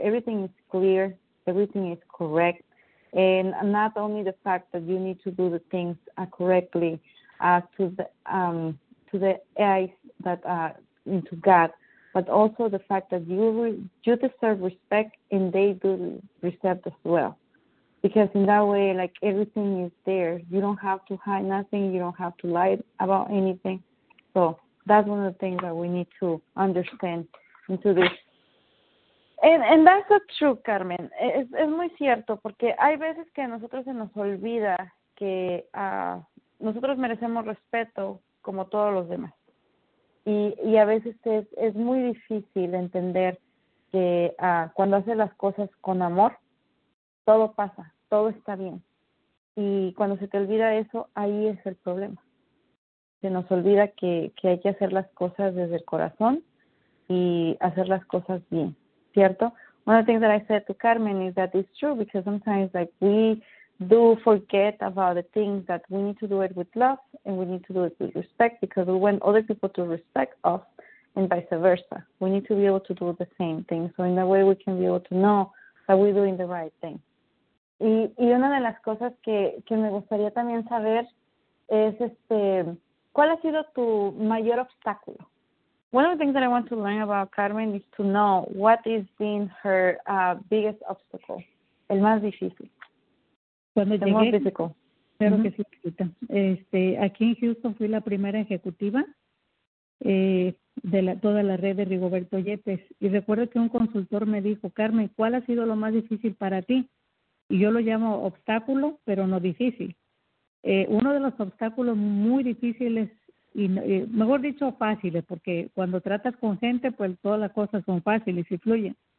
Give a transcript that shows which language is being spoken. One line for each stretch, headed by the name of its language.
English: Everything is clear, everything is correct. And not only the fact that you need to do the things correctly into God, but also the fact that you deserve respect and they do respect as well. Because in that way, like everything is there. You don't have to hide nothing. You don't have to lie about anything. So that's one of the things that we need to understand into this. And that's the truth, Carmen.
Spanish: Es muy cierto, porque hay veces que a nosotros se nos olvida que nosotros merecemos respeto como todos los demás. Y a veces es muy difícil entender que cuando haces las cosas con amor, todo pasa, todo está bien. Y cuando se te olvida eso, ahí es el problema. Se nos olvida que hay que hacer las cosas desde el corazón y hacer las cosas bien. Cierto.
English: One of the things that I said to Carmen is that it's true because sometimes like we do forget about the things that we need to do it with love and we need to do it with respect because we want other people to respect us and vice versa. We need to be able to do the same thing. So in that way we can be able to know that we're doing the right thing.
Spanish: Y una de las cosas que me gustaría también saber es ¿cuál ha sido tu mayor obstáculo?
English: One of the things that I want to learn about Carmen is to know what has been her biggest obstacle,
Spanish: el más difícil. Cuando llegué, el más difícil. Claro que sí, Lupita. Aquí en Houston fui la primera ejecutiva de toda la red de Rigoberto Yepes. Y recuerdo que un consultor me dijo, Carmen, ¿cuál ha sido lo más difícil para ti? Y yo lo llamo obstáculo, pero no difícil. Uno de los obstáculos muy difíciles, y mejor dicho, fáciles, porque cuando tratas con gente, pues todas las cosas son fáciles y fluyen.